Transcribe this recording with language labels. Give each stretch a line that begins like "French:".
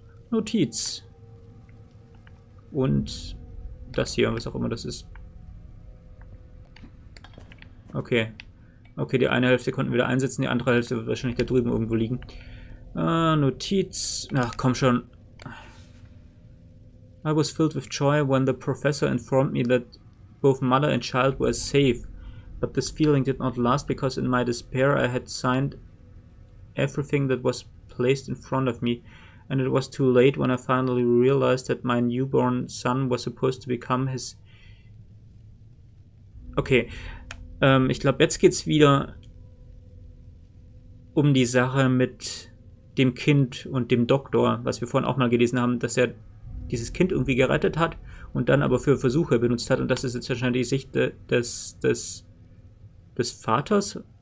German: Notiz. Und das hier, was auch immer das ist. Okay. Okay, die eine Hälfte konnten wir da einsetzen, die andere Hälfte wird wahrscheinlich da drüben irgendwo liegen. Notiz. Ach, komm schon.
English: I was filled with joy when the professor informed me that both mother and child were safe. But this feeling did not last, because in my despair I had signed everything that was placed in front of me, and it was too late when I finally realized that my newborn son was supposed to become his...
German: Okay, ich glaube, jetzt geht's wieder um die Sache mit dem Kind und dem Doktor, was wir vorhin auch mal gelesen haben, dass er dieses Kind irgendwie gerettet hat und dann aber für Versuche benutzt hat, und das ist jetzt wahrscheinlich die Sicht des Vaters?